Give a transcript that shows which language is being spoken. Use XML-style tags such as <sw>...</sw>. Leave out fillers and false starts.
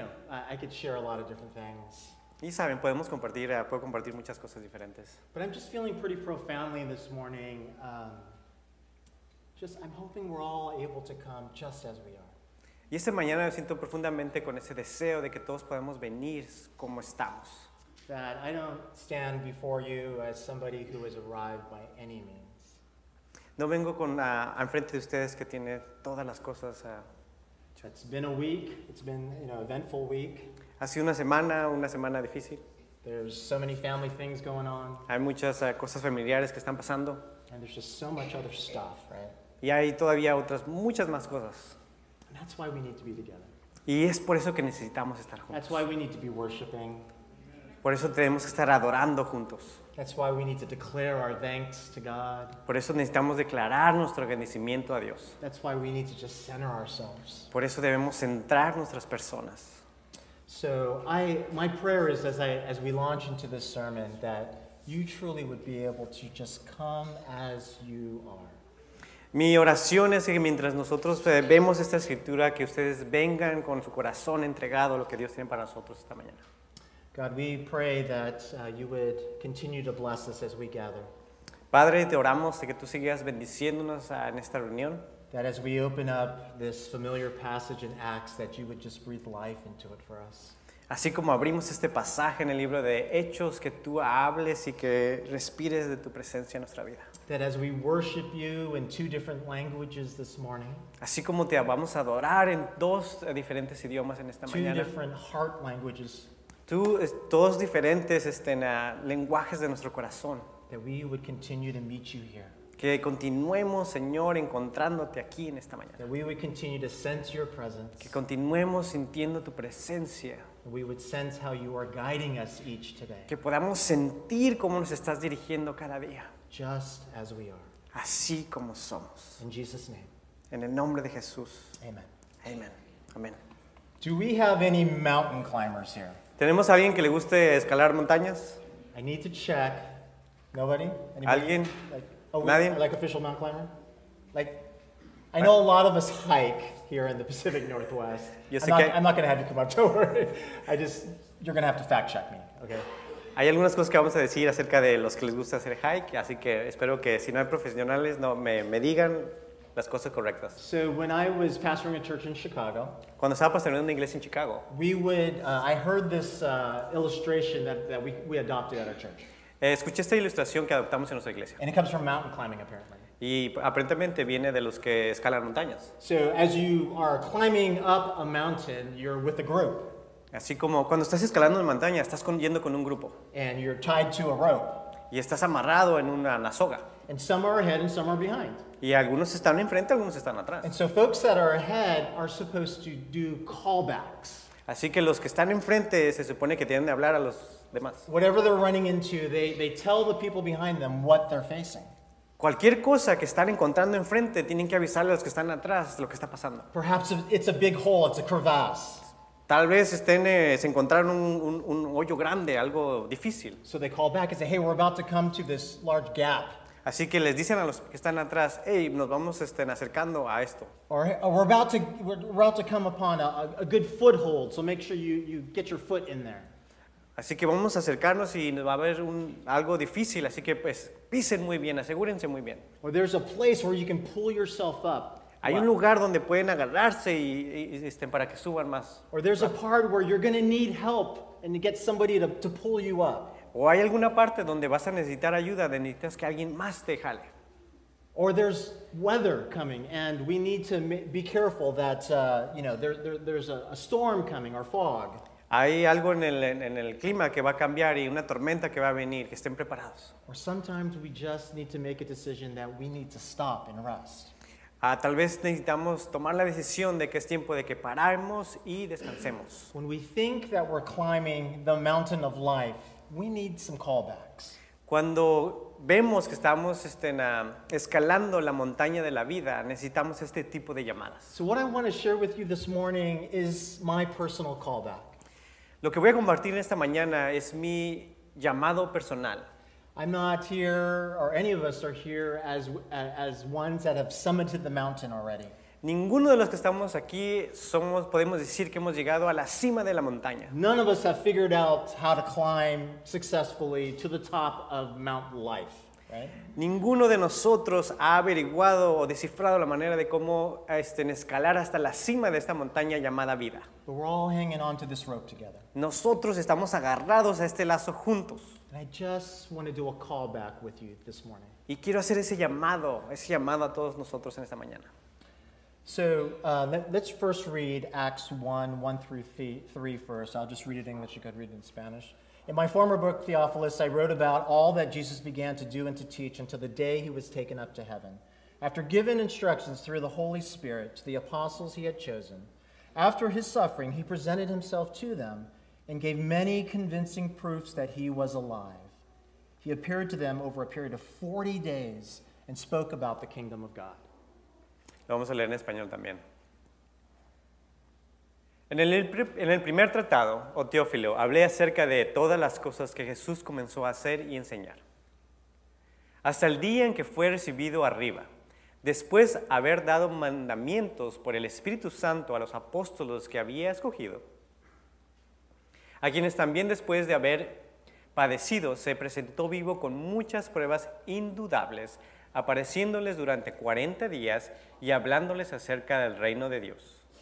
<en>I could share a lot of different things.</en> <es>Y saben, puedo compartir muchas cosas diferentes.</es> <en>But I'm just feeling pretty profoundly this morning. I'm hoping we're all able to come just as we are.</en> <es>Y esta mañana me siento profundamente con ese deseo de que todos podamos venir como estamos.</es> <en>That I don't stand before you as somebody who has arrived by any means.</en> <es>No vengo con enfrente de ustedes que tiene todas las cosas.</es> <en>It's been a week. It's been, eventful week.</en> <es>Ha sido una semana difícil.</es> <en>There's so many family things going on.</en> <es>Hay muchas cosas familiares que están pasando.</es> <en>And there's just so much other stuff, right?</en> <es>Y hay todavía otras muchas más cosas.</es> <en>And that's why we need to be together.</en> <es>Y es por eso que necesitamos estar juntos.</es> <en>That's why we need to be worshiping.</en> <es>Por eso tenemos que estar adorando juntos.</es> <en>That's why we need to declare our thanks to God.</en> <es>Por eso necesitamos declarar nuestro agradecimiento a Dios.</es> <en>That's why we need to just center ourselves.</en> <es>Por eso debemos centrar nuestras personas.</es> <en>So my prayer is as we launch into this sermon that you truly would be able to just come as you are.</en> <es>Mi oración es que mientras nosotros vemos esta escritura, que ustedes vengan con su corazón entregado a lo que Dios tiene para nosotros esta mañana.</es> <en>God, we pray that you would continue to bless us as we gather.</en> <es>Padre, te oramos de que tú sigas bendiciéndonos en esta reunión.</es> <en>That as we open up this familiar passage in Acts, that you would just breathe life into it for us.</en> <es>Así como abrimos este pasaje en el libro de Hechos, que tú hables y que respires de tu presencia en nuestra vida.</es> <en>That as we worship you in two different languages this morning.</en> <es>Así como te vamos a adorar en dos diferentes idiomas en esta</es> <en>two</en> <es>mañana.</es> <en>Two different heart languages.</en> <es>Tú, dos diferentes lenguajes de nuestro corazón.</es> <en>That we would continue to meet you here.</en> <es>Que continuemos, Señor, encontrándote aquí en esta mañana.</es> <en>That we would continue to sense your presence.</en> <es>Que continuemos sintiendo tu presencia.</es> <en>That we would sense how you are guiding us each today.</en> <es>Que podamos sentir cómo nos estás dirigiendo cada día.</es> <en>Just as we are.</en> <es>Así como somos.</es> <en>In Jesus' name.</en> <es>En el nombre de Jesús.</es> <en>Amen.</en> <es>Amen. Amen.</es> <en>Do we have any mountain climbers here?</en> <es>¿Tenemos a alguien que le guste escalar montañas?</es> <en>I need to check. Nobody? Anybody?</en> <es>¿Alguien? Nadie?</es> <en>Like official mountain climber? I know a lot of us hike here in the Pacific Northwest. I'm not going to have you come up, don't worry. You're going to have to fact check me, okay?</en> <es>Hay algunas cosas que vamos a decir acerca de los que les gusta hacer hike, así que espero que si no hay profesionales, no me digan las cosas correctas.</es> <en>So when I was pastoring a church in Chicago,</en> <es>cuando estaba pastoreando una iglesia en Chicago,</es> <en>I heard this illustration that we adopted at our church.</en> <es>Escuché esta ilustración que adoptamos en nuestra iglesia.</es> <en>And it comes from mountain climbing, apparently.</en> <es>Y aparentemente viene de los que escalan montañas.</es> <en>So as you are climbing up a mountain, you're with a group.</en> <es>Así como cuando estás escalando una montaña, estás yendo con un grupo.</es> <en>And you're tied to a rope.</en> <es>Y estás amarrado en una soga.</es> <en>And some are ahead and some are behind.</en> <es>Y algunos están enfrente, algunos están atrás.</es> <en>And so folks that are ahead are supposed to do callbacks.</en> <es>Así que los que están enfrente se supone que tienen que hablar a los demás.</es> <en>Whatever they're running into, they tell the people behind them what they're facing.</en> <es>Cualquier cosa que están encontrando enfrente, tienen que avisarle a los que están atrás lo que está pasando.</es> <en>Perhaps it's a big hole, it's a crevasse.</en> <es>Tal vez se encontraron un hoyo grande, algo difícil.</es> <en>So they call back and say, hey, we're about to come to this large gap.</en> <es>Así que les dicen a los que están atrás, hey, nos vamos acercando a esto.</es> <en>Or we're about to come upon a good foothold, so make sure you get your foot in there.</en> <es>Así que vamos a acercarnos y va a haber algo difícil, así que pues pisen muy bien, asegúrense muy bien.</es> <en>Or there's a place where you can pull yourself up.</en> <es>Hay un lugar donde pueden agarrarse y estén para que suban más.</es> <en>Or there's a part where you're going to need help and to get somebody to pull you up.</en> <es>O hay alguna parte donde vas a necesitar ayuda, donde necesitas que alguien más te jale.</es> <en>Or there's weather coming and we need to be careful that there's a storm coming or fog.</en> <es>Hay algo en el clima que va a cambiar y una tormenta que va a venir, que estén preparados.</es> <en>Or sometimes we just need to make a decision that we need to stop and rest.</en> <es>Tal vez necesitamos tomar la decisión de que es tiempo de que paramos y descansemos.</es> <en>When we think that we're climbing the mountain of life, we need some callbacks.</en> <es>Cuando vemos que estamos escalando la montaña de la vida, necesitamos este tipo de llamadas.</es> <en>So what I want to share with you this morning is my personal callback.</en> <es>Lo que voy a compartir esta mañana es mi llamado personal.</es> <en>I'm not here, or any of us are here, as ones that have summited the mountain already.</en> <es>Ninguno de los que estamos aquí podemos decir que hemos llegado a la cima de la montaña.</es> <en>None of us have figured out how to climb successfully to the top of Mount Life, right?</en> <es>Ninguno de nosotros ha averiguado o descifrado la manera de cómo escalar hasta la cima de esta montaña llamada vida.</es> <en>But we're all hanging on to this rope together.</en> <es>Nosotros estamos agarrados a este lazo juntos.</es> <en>And I just want to do a callback with you this morning.</en> <es>Y quiero hacer ese llamado a todos nosotros en esta mañana.</es> <en>So let's first read Acts 1:1-3 first. I'll just read it in English. You could read it in Spanish. In my former book, Theophilus, I wrote about all that Jesus began to do and to teach until the day he was taken up to heaven. After giving instructions through the Holy Spirit to the apostles he had chosen, after his suffering, he presented himself to them and gave many convincing proofs that he was alive. He appeared to them over a period of 40 days and spoke about the kingdom of God.</en> <es>Lo vamos a leer en español también. En el primer tratado, o Teófilo, hablé acerca de todas las cosas que Jesús comenzó a hacer y enseñar. Hasta el día en que fue recibido arriba, después de haber dado mandamientos por el Espíritu Santo a los apóstoles que había escogido, a quienes también después de haber padecido, se presentó vivo con muchas pruebas indudables, apareciéndoles durante 40 días y hablándoles acerca del reino de Dios.</es>